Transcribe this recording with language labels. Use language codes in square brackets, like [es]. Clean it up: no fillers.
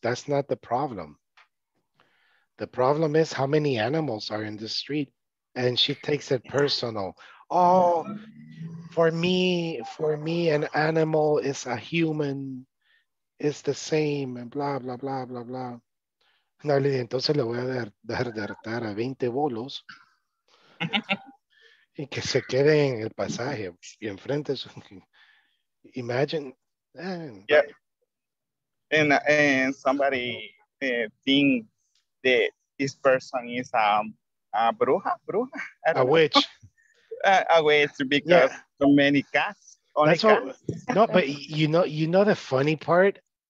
[en] That's not the problem. The problem is how many animals are in the street. And she takes it personal. Oh, for me, an animal is a human. It's the same and blah, blah, blah, blah, blah. [es] Dale, entonces le voy a dar a 20 bolos y que se quede en el pasaje y enfrente. [en] Su... Imagine. Yeah. And somebody think that this person is a bruja, bruja. A witch. A witch because yeah. So many cats. That's what, no, but you know the funny part?